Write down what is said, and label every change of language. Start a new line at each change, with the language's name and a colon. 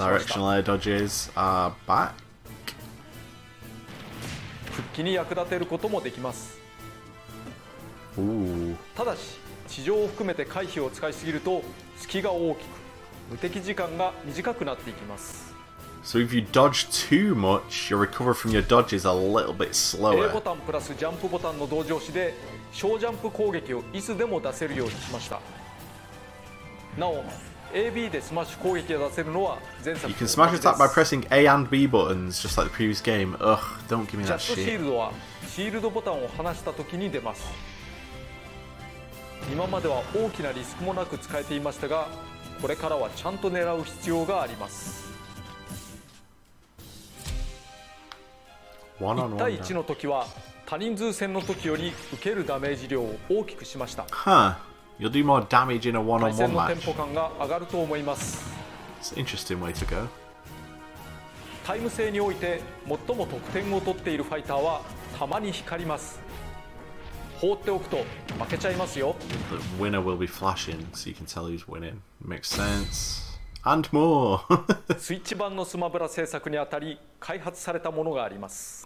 Japanese: ました。
English: Directional air dodges are back.
Japanese: 復帰に役立てることもできます。ただし地上を含めて回避を使いすぎると隙が大きく無敵時間が短くなっていきます。
English: So if you dodge too much, your recovery from your dodge is a little bit slower.
Japanese: A ボタンプラスジャンプボタンの同時押しで小ジャンプ攻撃をいつでも出せるようにしました。なお、AB でスマッシュ攻撃を出せるのは前作。
English: You can smash attack by pressing A and B buttons, just like the previous game. Ugh, don't give me that shit.
Japanese: ジャックシールドはシールドボタンを離した時に出ます。今までは大きなリスクもなく使えていましたが、これからはちゃんと狙う必要があります。 1 対1の時は他人数戦の時より受けるダメージ量を大きくしました。
English: はあ、You'll do more damage in a one-on-one match.
Japanese: 対戦のテンポ感が上がると思います。
English: It's an interesting way to go.
Japanese: タイム制において最も得点を取っているファイターはたまに光ります。放っておくと負けちゃいますよ。
English: The winner will be flashing, so you can tell who's winning. Makes sense. And more.
Japanese: Switch 版のスマブラ制作にあたり開発されたものがあります。